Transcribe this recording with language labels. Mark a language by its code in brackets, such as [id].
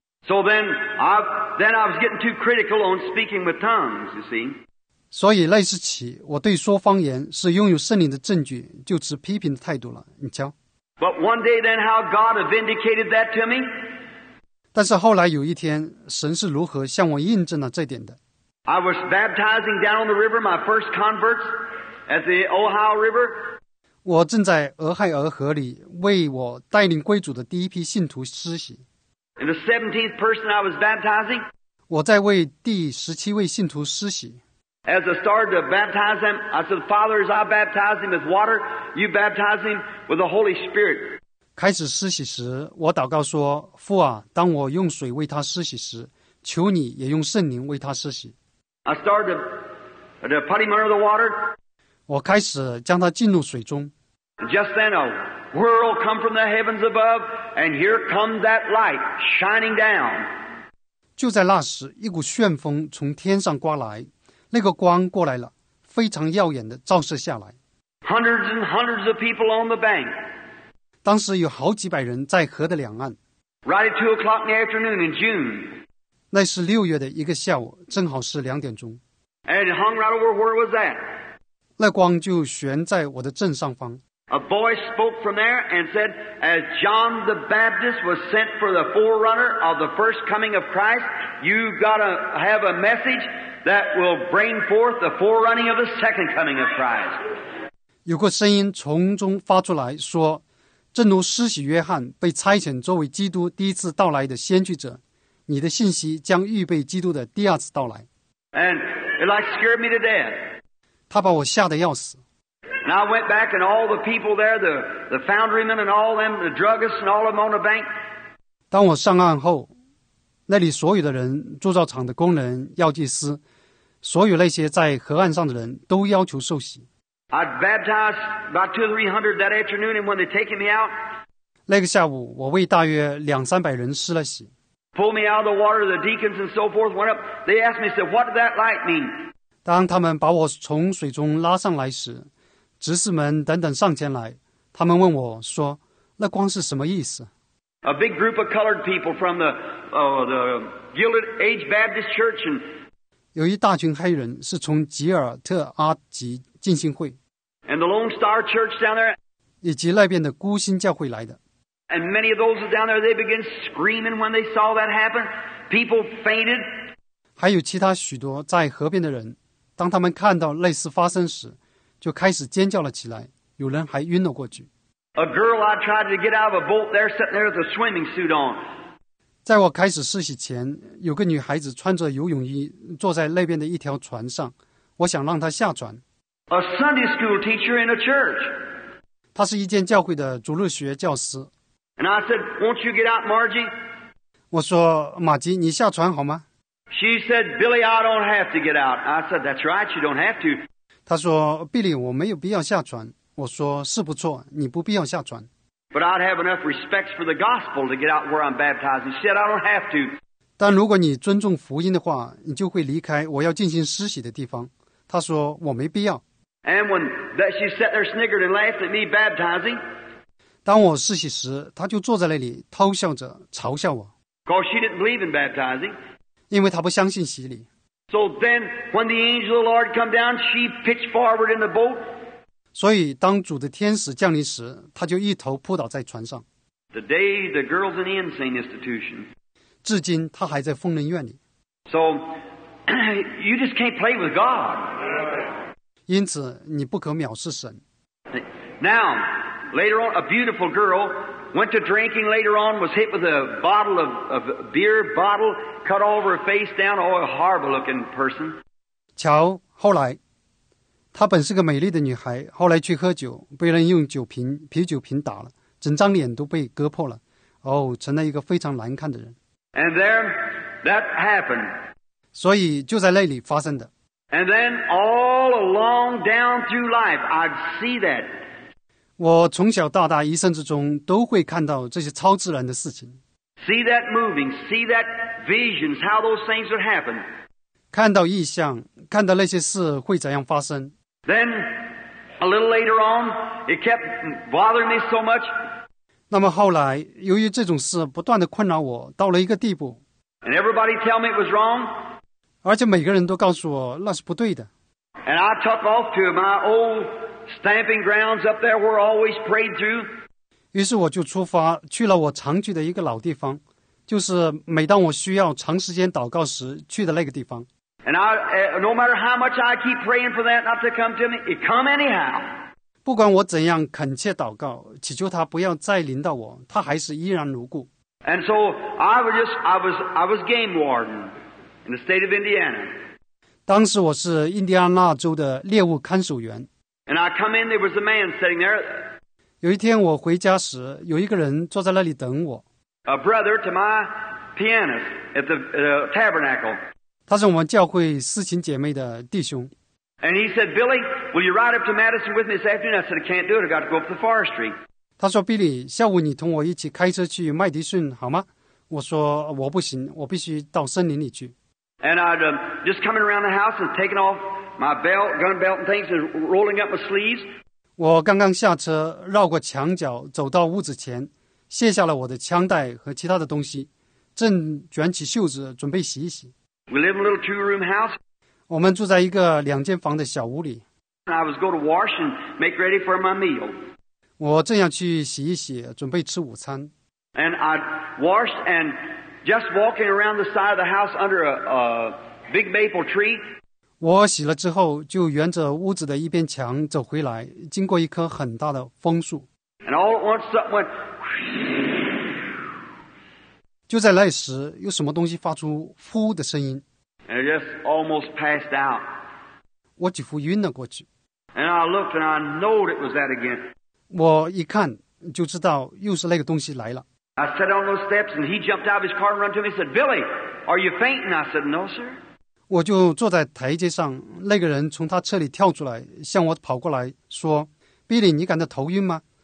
[en] So then I was getting too critical on speaking with tongues. You see. [zh] 所以那时起，我对说方言是拥有圣灵的证据，就持批评的态度了。你瞧。 [en] But one day then how God vindicated that to me? [zh] 但是后来有一天，神是如何向我印证了这点的。 [en] I was baptizing down on the river my first converts at the Ohio River. [zh] 我正在俄亥俄河里为我带领归主的第一批信徒施洗。 [en] And the 17th person I was baptizing. [zh] 我在为第17位信徒施洗。 [en] As I started to baptize him, I said, "Father, as I baptize him with water, you baptize him with the Holy Spirit." [zh] 开始施洗时，我祷告说：“父啊，当我用水为他施洗时，求你也用圣灵为他施洗。” [en] I started to put him under the water. [zh] 我开始将他浸入水中。 [en] Just then, a whirl come from the heavens above, and here comes that light shining down. [zh] 就在那时，一股旋风从天上刮来。那个光过来了，非常耀眼的照射下来。 [en] Hundreds and hundreds of people on the bank. [zh] 当时有好几百人在河的两岸。 [en] Right at 2 o'clock in the afternoon in June. [zh] 那是六月的一个下午，正好是2点钟。 [en] And it hung right over where was that? [zh] 那光就悬在我的正上方。 [en] A voice spoke from there and said, "As John the Baptist was sent for the forerunner of the first coming of Christ, you've got to have a message." That will bring forth the forerunning of the second coming of Christ. [zh] 有个声音从中发出来说，正如施洗约翰被差遣作为基督第一次到来的先驱者，你的信息将预备基督的第二次到来。 [en] And it like scared me to death. [zh] 他把我吓得要死。 [en] And I went back and all the people there, the foundrymen and all them, the druggists and all them on the bank. [zh] 当我上岸后，那里所有的人，铸造厂的工人、药剂师，所有那些在河岸上的人都要求受洗。 [en] I baptized about 200 or 300 that afternoon, and when they taken me out, [zh] 那个下午，我为大约200 [en] or [zh] 300人施了洗。 [en] Pulled me out of the water, the deacons and so forth went up. They asked me, said, "What did that light mean?" [zh] 当他们把我从水中拉上来时，执事们等等上前来，他们问我说：“那光是什么意思？” [en] A big group of colored people from the the Gilded Age Baptist Church, and [zh] 有一大群黑人是从吉尔特阿吉浸信会 [en] and the Lone Star Church down there, [zh] 以及那边的孤星教会来的 [en] and many of those down there, they began screaming when they saw that happen. People fainted. [zh] 还有其他许多在河边的人，当他们看到类似发生时，就开始尖叫了起来，有人还晕了过去。 [en] A girl I tried to get out of a boat there, sitting there with a swimming suit on. [zh] 在我开始试洗前，有个女孩子穿着游泳衣坐在那边的一条船上，我想让她下船。 [en] A Sunday school teacher in a church. [zh] 她是一间教会的主日学教师。 [en] And I said, won't you get out, Margie? [zh] 我说，玛吉，你下船好吗？ [en] She said, Billy, I don't have to get out. I said, that's right, you don't have to. [zh] 他说，比利，我没有必要下船。我说，是不错，你不必要下船。 [en] But I'd have enough respect for the gospel to get out where I'm baptized. She said, I don't have to. [zh] 但如果你尊重福音的话，你就会离开我要进行施洗的地方。他说，我没必要。 [en] And when that she sat there sniggered and laughed at me baptizing. [zh] 当我施洗时，他就坐在那里偷笑着嘲笑我。 [en] Because she didn't believe in baptizing. [zh] 因为他不相信洗礼。 [en] So then, when the angel of the Lord come down, she pitched forward in the boat. [zh] 所以当主的天使降临时，他就一头扑倒在船上。 [en] The day the girl's in the insane institution. [zh] 至今他还在疯人院里。 [en] So, you just can't play with God. [zh] 因此你不可藐视神。 [en] Now, later on, a beautiful girl. Went to drinking later on, was hit with a bottle of beer bottle, cut all over her face down, oh, a horrible looking person. [zh] 乔后来，她本是个美丽的女孩，后来去喝酒，被人用酒瓶、啤酒瓶打了，整张脸都被割破了，哦，成了一个非常难看的人。 [en] And there, that happened. [zh] 所以就在那里发生的。 [en] And then all along down through life, I'd see that. [zh] 我从小到大一生之中都会看到这些超自然的事情。 [en] See that moving, see that visions, how those things would happen. [zh] 看到异象，看到那些事会怎样发生。 [en] Then, a little later on, it kept bothering me so much. [zh] 那么后来，由于这种事不断地困扰我，到了一个地步。 [en] And everybody tell me it was wrong. [zh] 而且每个人都告诉我那是不对的。 [en] And I took off to my old... Stamping grounds up there were always prayed through. [zh] 于是我就出发去了我常去的一个老地方，就是每当我需要长时间祷告时去的那个地方。 [en] And I, no matter how much I keep praying for that not to come to me, it come anyhow. [zh] 不管我怎样恳切祷告，祈求他不要再临到我，他还是依然如故。 [en] And so I was game warden in the state of Indiana. [zh] 当时我是印第安纳州的猎物看守员。 [en] And I come in, there was a man sitting there. [zh] 有一天我回家时，有一个人坐在那里等我。 [en] A brother to my pianist at the tabernacle. [zh] 他是我们教会四琴姐妹的弟兄。 [en] And he said, Billy, will you ride up to Madison with me this afternoon? I said, I can't do it. I've got to go up the forestry. [zh] 他说，比利，下午你同我一起开车去麦迪逊好吗？我说，我不行，我必须到森林里去。 [en] And I'd just coming around the house and taking off. My belt, gun belt and things, and rolling up my sleeves. [zh] 我刚刚下车，绕过墙角，走到屋子前，卸下了我的枪带和其他的东西，正卷起袖子准备洗一洗。 [en] We live in a little two-room house. [zh] 我们住在一个两间房的小屋里。 [en] I was going to wash and make ready for my meal. [zh] 我正要去洗一洗，准备吃午餐。 [en] And I washed and just walking around the side of the house under a big maple tree. [zh] 我洗了之后就沿着屋子的一边墙走回来，经过一棵很大的枫树。 [en] And all at once something went... [zh] 就在那时有什么东西发出呼的声音。 [en] And I just almost passed out. [zh] 我几乎晕了过去。 [en] And I looked and I know it was that again. [zh] 我一看就知道又是那个东西来了。 [en] I sat on those steps and he jumped out of his car and ran to me and said, Billy, are you fainting? I said, no, sir. [zh] 我就坐在台阶上，那个人从他车里跳出来，向我跑过来说，比利，你感到头晕吗？